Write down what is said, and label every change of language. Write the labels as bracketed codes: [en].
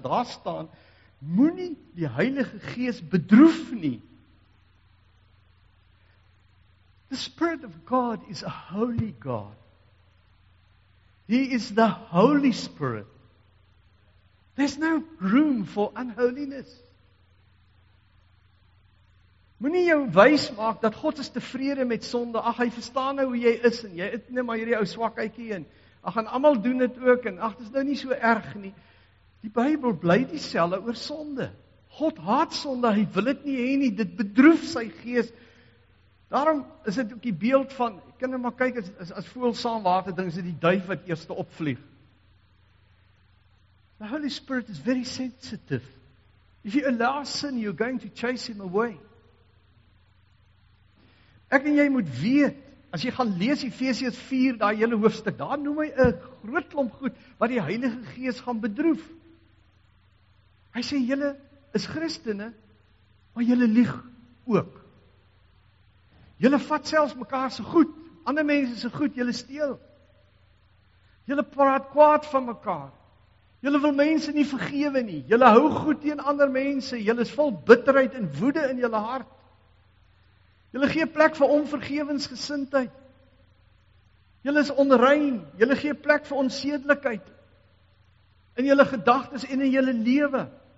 [af] Daar staan, moenie die Heilige Gees bedroef nie. [en] The Spirit of God is a holy God. He is the Holy Spirit. There's no room for unholiness. [af] Moenie jou wys maak dat God is tevrede met sonde. Ag, hy verstaan nou hoe jy is en jy het net maar hierdie ou swakheidjie en ag, gaan almal doen dit ook en ag, dit is nou nie so erg nie. Die Bybel bly dieselfde oor sonde. God haat sonde, hy wil dit nie hê nie. Dit bedroef sy gees. Daarom is dit ook die beeld van, kan maar kyk, as voel saam water ding, is dit die duif wat eerste opvlieg. [en] The Holy Spirit is very sensitive. If you allow sin, you're going to chase him away. [af] Ek en jy moet weet, as jy gaan lees Efesiërs 4, daai hele hoofstuk, daar noem hy 'n groot klomp goed, wat die Heilige Gees gaan bedroef. Hy sê, julle is Christene, maar julle lieg ook. Julle vat selfs mekaar se goed, ander mense se goed, julle steel. Julle praat kwaad van mekaar. Julle wil mense nie vergewe nie. Julle hou goed teen ander mense. Julle is vol bitterheid en woede in julle hart. Julle gee plek vir onvergewensgesindheid. Julle is onrein. Julle gee plek vir onsedelikheid in julle gedagtes en in julle lewe.